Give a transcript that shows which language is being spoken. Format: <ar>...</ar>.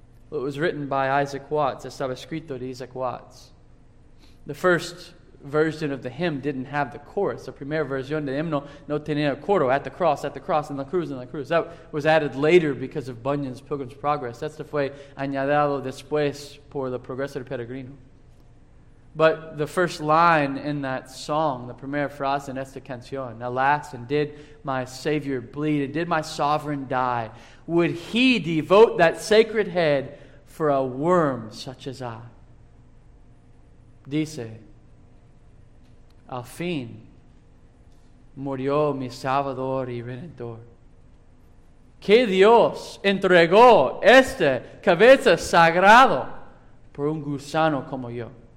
<en>Well, it was written by Isaac Watts,</en> <es>estaba escrito de Isaac Watts.</es> <en>The first version of the hymn didn't have the chorus.</en> <es>The primer version del himno no tenía coro,</es> <en>at the cross,</en> <es>en la cruz.</es> <en>That was added later because of Bunyan's Pilgrim's Progress.</en> <es>Esto fue añadido después por el Progreso del Peregrino.</es> <en>But the first line in that song, the</en> <es>primera frase en esta canción,</es> <en>alas, and did my Savior bleed, and did my Sovereign die, would he devote that sacred head for a worm such as I?</en> <es>Dice, al fin, murió mi Salvador y Redentor. Que Dios entregó esta cabeza sagrado por un gusano como yo.</es>